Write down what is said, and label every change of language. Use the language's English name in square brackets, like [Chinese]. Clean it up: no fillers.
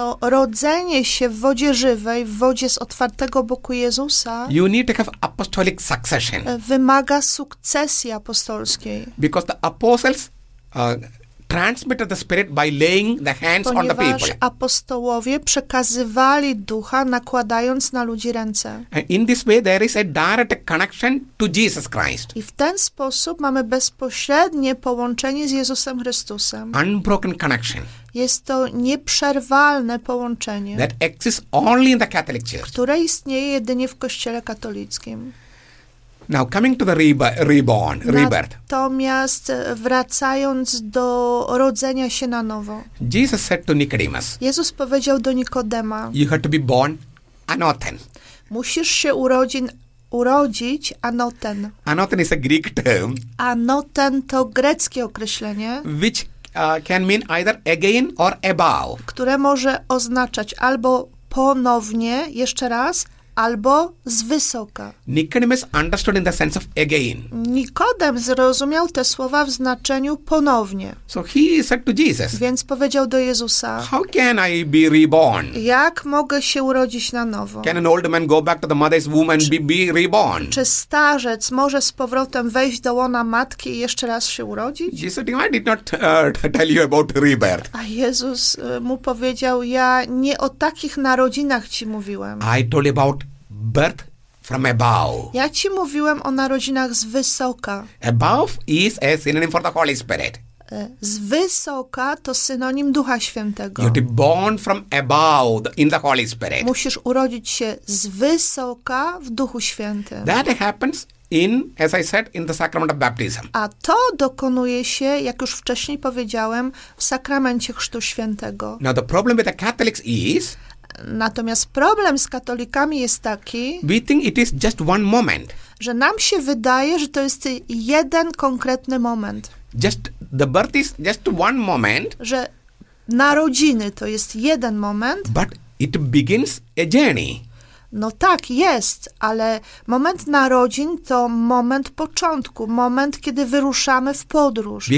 [Polish] To rodzenie się w wodzie żywej, w wodzie z otwartego boku Jezusa. [English] You need to have apostolic succession. [Polish] Wymaga sukcesji apostolskiej. [English] Because the apostles transmitted the Spirit by laying the hands [Polish] ponieważ [English] on the people. [Polish] Apostołowie przekazywali ducha, nakładając na ludzi ręce. [English] And in this way there is a direct connection to Jesus Christ. [Polish] I w ten sposób mamy bezpośrednie połączenie z Jezusem Chrystusem. [English] Unbroken connection. [Polish] Jest to nieprzerwalne połączenie. [English] That exists only in the Catholic Church. [Polish] Które istnieje jedynie w Kościele katolickim. [English] Now coming to the reborn, rebirth. [Polish] Natomiast wracając do rodzenia się na nowo. [English] Jesus said to Nicodemus. [Polish] Jezus powiedział do Nikodema. [English] You have to be born anoten. [Polish] Musisz się urodzić anoten. [English] Anoten is a Greek term. [Polish] Anoten to greckie określenie. [English] Which can mean either again or above. [Polish] Które może oznaczać albo ponownie, jeszcze raz, albo z wysoka. [English] Nicodemus understood in the sense of again. [Polish] Nikodem zrozumiał te słowa w znaczeniu ponownie. [English] So he said to Jesus. [Polish] Więc powiedział do Jezusa. [English] How can I be reborn? [Polish] Jak mogę się urodzić na nowo? [English] Can an old man go back to the mother's womb and be reborn? [Polish] Czy starzec może z powrotem wejść do łona matki i jeszcze raz się urodzić? [English] Jesus said, I did not tell you about rebirth. [Polish] A Jezus mu powiedział, ja nie o takich narodzinach ci mówiłem. [English] I told you about birth from above. [Polish] Ja ci mówiłem o narodzinach z wysoka. [English] Above is a synonym for the Holy Spirit. [Polish] Z wysoka to synonim Ducha Świętego. [English] You're born from above in the Holy Spirit. [Polish] Musisz urodzić się z wysoka w Duchu Świętym. [English] That happens in, as I said, in the sacrament of baptism. [Polish] A to dokonuje się, jak już wcześniej powiedziałem, w sakramencie Chrztu Świętego. [English] Now the problem with the Catholics is. [Polish] Natomiast problem z katolikami jest taki, [English] we think it is just one moment. [Polish] Że nam się wydaje, że to jest jeden konkretny moment. [English] Just the birth is just one moment. [Polish] Że narodziny to jest jeden moment. [English] But it begins a journey. [Polish] No tak, jest, ale moment narodzin to moment początku, moment, kiedy wyruszamy w podróż.